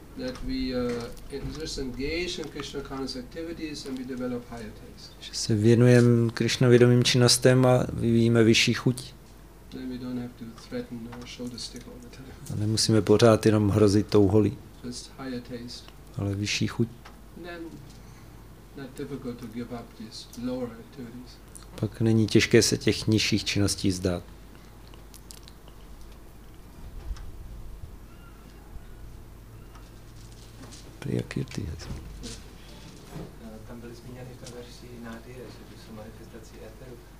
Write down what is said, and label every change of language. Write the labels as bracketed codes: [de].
[en] that we just engage in Krishna conscious activities and we develop higher taste. [cs] Že se věnujeme Krishna vědomým činnostem a vyvíjíme vyšší chuť. [en] Then we don't have to threaten or show the stick all the time. [cs] A nemusíme pořád jenom hrozit tou holí. [en] Just higher taste. [cs] Ale vyšší chuť. [en] Then not difficult to give up these lower activities. [cs] Pak není těžké se těch nižších činností vzdát. Priyakirti. Tam byly zmíněny v té verzi nádie, že to jsou manifestace éteru.